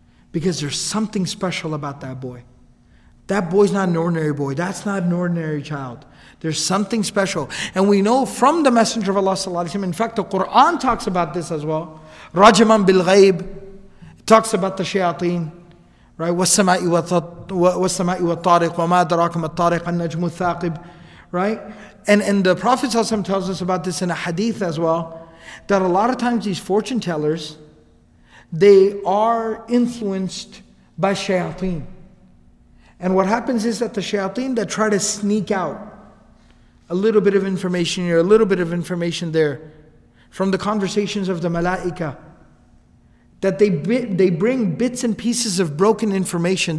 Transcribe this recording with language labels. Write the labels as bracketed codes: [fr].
[en] Because there's something special about that boy. That boy's not an ordinary boy. That's not an ordinary child. There's something special. And we know from the Messenger of Allah sallallahu alayhi wa sallam, in fact the Quran talks about this as well. [ar] رَجَمًا بِالْغَيْبِ. [en] It talks about the shayateen. [ar] Right, وَالسَّمَاءِ وَالطَّارِقِ وَمَا دَرَاكَ مَا الطَّارِقَ النَّجْمُ الثَّاقِبِ. [en] Right? And the Prophet ﷺ tells us about this in a hadith as well, that a lot of times these fortune tellers, they are influenced by shayateen. And what happens is that the shayateen that try to sneak out a little bit of information here, a little bit of information there, from the conversations of the malaika, that they bring bits and pieces of broken information.